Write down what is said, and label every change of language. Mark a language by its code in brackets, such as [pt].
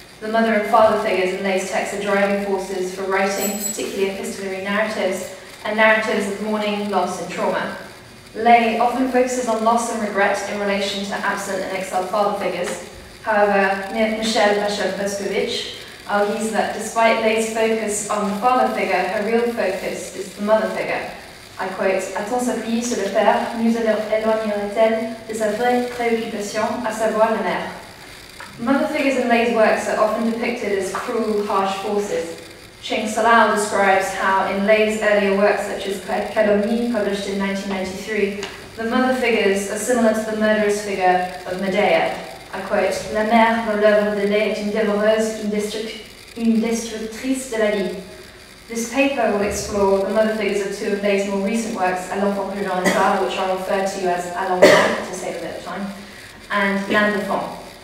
[en] The mother and father figures in Lay's texts are driving forces for writing, particularly epistolary narratives, and narratives of mourning, loss, and trauma. Lay often focuses on loss and regret in relation to absent and exiled father figures. However, Michel Bachelet-Poskovitch argues that despite Lay's focus on the father figure, her real focus is the mother figure. I quote, [fr] « A tant s'appuyer sur le père, nous éloignerait-elle de sa vraie préoccupation, à savoir la mère. » [en] Mother figures in Lay's works are often depicted as cruel, harsh forces. Cheng Salau describes how in Lay's earlier works, such as Calomnie, published in 1993, the mother figures are similar to the murderous figure of Medea. I quote, « [fr] La mère, dans l'œuvre de Lay, est une dévoreuse, une destructrice de la vie. [en] » This paper will explore the mother figures of two of Lay's more recent works, A l'enfant que j'en ai pas, which I'll refer to as A l'enfant, to save a bit of time, and L'enfant.